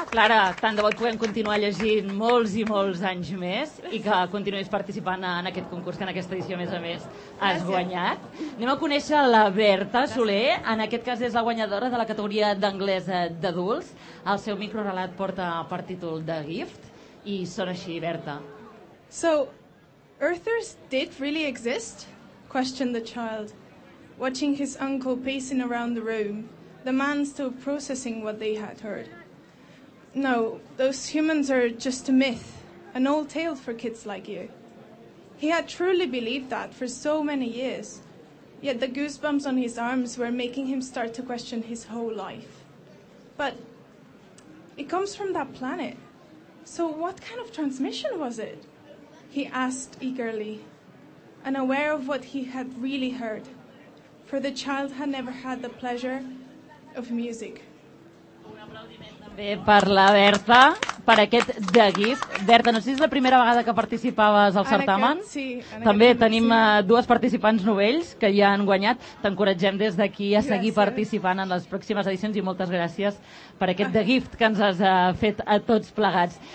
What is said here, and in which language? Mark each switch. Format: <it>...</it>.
<ca>Clara, tant de bo et puguem continuar llegint molts i molts anys més i que continuïs participant en aquest concurs que en aquesta edició, a més, has Gràcies. Guanyat. Anem a conèixer la Berta Soler. En aquest cas és la guanyadora de la categoria d'anglès d'adults. El seu microrelat porta per títol The Gift i sona així, Berta.</ca> <en>So, Earthers did really exist? Questioned the child, watching his uncle pacing around the room. The man still processing what they had heard. No, those humans are just a myth, an old tale for kids like you. He had truly believed that for so many years, yet the goosebumps on his arms were making him start to question his whole life. But it comes from that planet. So what kind of transmission was it? He asked eagerly, unaware of what he had really heard, for the child had never had the pleasure of music.</en> <ca>Un aplaudiment també per la Berta, per aquest The Gift. Berta, no sé si és la primera vegada que participaves al certamen. Sí, també tenim dues participants novells que ja han guanyat. T'encoratgem des d'aquí a seguir participant en les pròximes edicions i moltes gràcies per aquest The Gift que ens has fet a tots plegats.</ca>